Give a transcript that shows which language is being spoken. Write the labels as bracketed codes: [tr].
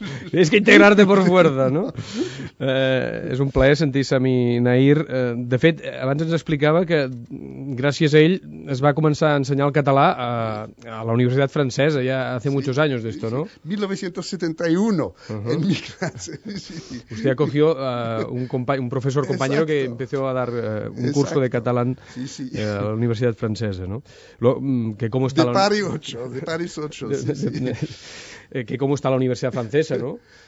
[es] Tienes que integrarte por fuerza, ¿no? [ca] És un plaer sentir-se a mi, Nahir. De fet, abans ens explicava que gràcies a ell es va començar a ensenyar el català a la Universitat Francesa, ja [es] hace muchos años de esto, ¿no? 1971, en mi clase. Sí. Usted acogió un profesor compañero que empezó a dar un curso de català a la Universitat Francesa, ¿no? [ca] Que com està de Paris 8, [es] que cómo está la Universidad Francesa, ¿no?